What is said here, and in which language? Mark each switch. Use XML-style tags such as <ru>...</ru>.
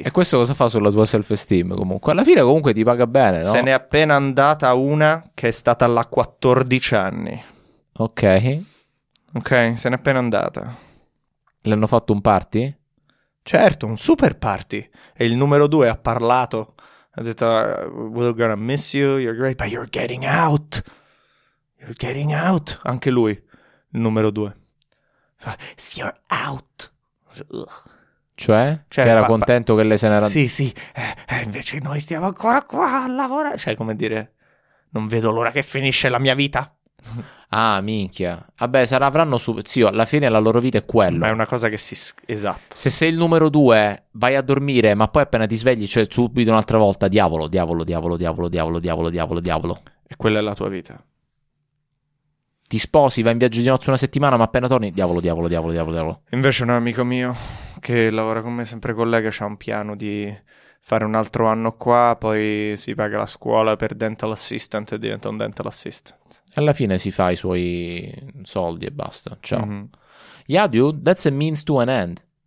<it>E questo cosa fa sulla tua self esteem? Comunque alla fine comunque ti paga bene, no? Se n'è appena andata una che è stata alla 14 anni. Ok, se n'è appena andata. Le hanno fatto un party? Certo, un super party. E il numero 2 ha parlato Ha detto,</it> <en>we're gonna miss you, you're great, but you're getting out. You're getting out.</en> <it>Anche lui, numero due.</it> <en>You're out. Ugh.</en> <it>Cioè che era contento che lei se n'era... Sì, sì. Invece noi stiamo ancora qua a lavorare. Cioè, come dire, non vedo l'ora che finisce la mia vita. Ah, minchia. Vabbè, avranno... Zio, alla fine la loro vita è quello. Ma è una cosa che si... Esatto. Se sei il numero due, vai a dormire, ma poi appena ti svegli, cioè subito un'altra volta, diavolo. E quella è la tua vita. Ti sposi, vai in viaggio di nozze una settimana, ma appena torni, diavolo. Invece un amico mio che lavora con me, sempre collega, c'ha un piano di fare un altro anno qua, poi si paga la scuola per dental assistant e diventa un dental assistant. Alla fine si fa i suoi soldi e basta, ciao. Mm-hmm.</it> <en>Yeah, dude, that's a means to an end.</en>